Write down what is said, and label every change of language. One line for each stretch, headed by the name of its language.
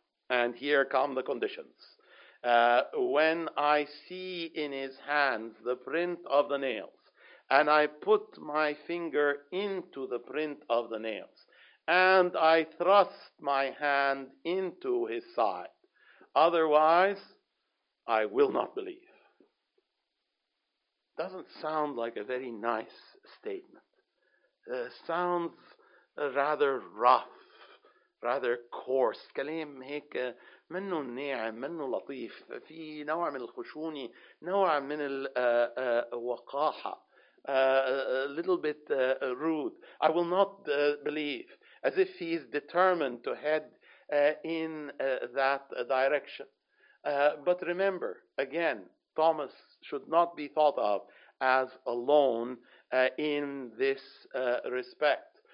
English: And here come the conditions. When I see in his hands the print of the nails, and I put my finger into the print of the nails, and I thrust my hand into his side, otherwise I will not believe. Doesn't sound like a very nice statement. Sounds rather rough, rather coarse.
Arabic: كلام هيك منه ناعم منه لطيف في نوع من الخشونة نوع من الوقاحة
English: a little bit rude. I will not believe, as if he is determined to head in that direction. But remember, again, Thomas should not be thought of as alone in this respect.